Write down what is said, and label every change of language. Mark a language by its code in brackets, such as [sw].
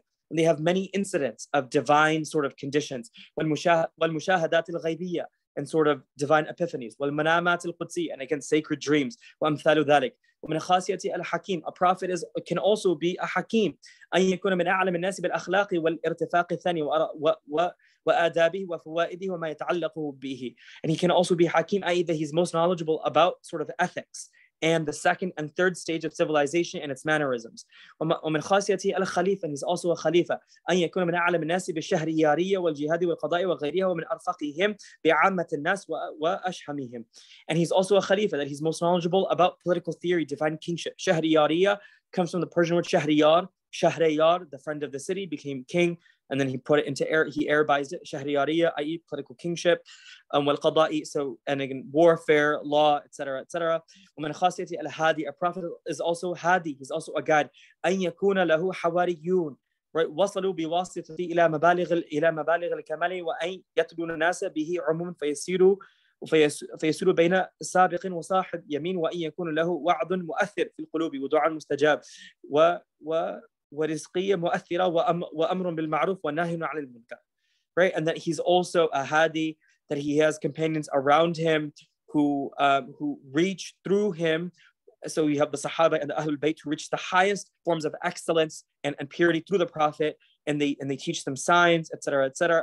[en] And they have many incidents of divine sort of conditions. [ar] والمشاهدات الغيبية, [en] and sort of divine epiphanies. [ar] والمنامات القدسية, [en] and again, sacred dreams. [ar] وامثال ذلك. ومن خاصيات الحكيم. [en] A prophet can also be a hakim. [ar] أن يكون من أعلم الناس بالأخلاق والارتفاق الثاني وآدابه وفوائده وما يتعلق به. [en] And he can also be hakim, i.e. that he's most knowledgeable about sort of ethics and the second and third stage of civilization and its mannerisms. [ar] ومن خاصيات الخليفة, [en] and he's also a [ar] خليفة. أن يكون من أعلم الناس بالشهريارية والجهاد والقضاء وغيرها ومن أرفقهم بعامة الناس وأشهمهم. [en] And he's also a خليفة, that he's most knowledgeable about political theory, divine kingship. شهريارية comes from the Persian word شهريار. Shahriyar, the friend of the city, became king, and then he put it into he Arabized it. Shahriyariya, i.e., political kingship. Walqada'i, so, and again, warfare, law, etc., etc. [ar] ومن خاصيتي الهادي, [en] a prophet is also hadi, he's also a guide. [ar] أن يكون له حواريون, right? وصلوا بواسطتي إلى مبالغ الكمال وأن يتلون الناس به عموم فيسيروا فيسير بين سابق وصاحب يمين وأن يكون له وعد مؤثر في القلوب ودعاء مستجاب ورزقية مؤثرة وأمر بالمعروف ونهي عن المنكر. [en] Right, and that he's also a hadi, that he has companions around him who reach through him. So you have the Sahaba and the Ahlul Bayt who reach the highest forms of excellence and purity through the Prophet, and they teach them signs, etc., etc.